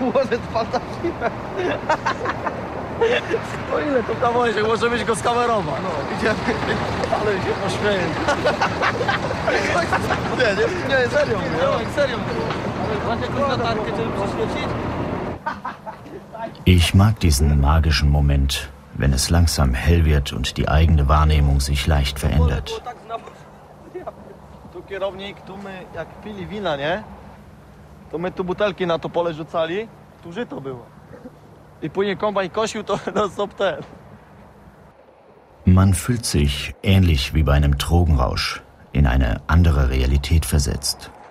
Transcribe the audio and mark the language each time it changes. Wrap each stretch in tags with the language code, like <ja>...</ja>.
<pl>Może dwa za zimę. To ile to tam może, może być go skamerowa. No. Idziemy. Ale się pośmieję. Nie, serio. Nie, serio. Macie jakąś latarkę, żeby przyświecić?</pl> <de>Ich mag diesen magischen Moment, wenn es langsam hell wird und die eigene Wahrnehmung sich leicht verändert.</de> <pl>Tu kierownik, tu my jak pili wina, nie? To my tu butelki na to pole rzucali, tu żyto było. I później kombajn kosił, to na sobtę.</pl> <de>Mann fühlt sich, ähnlich wie bei einem Drogenrausch, in eine andere Realität versetzt.</de>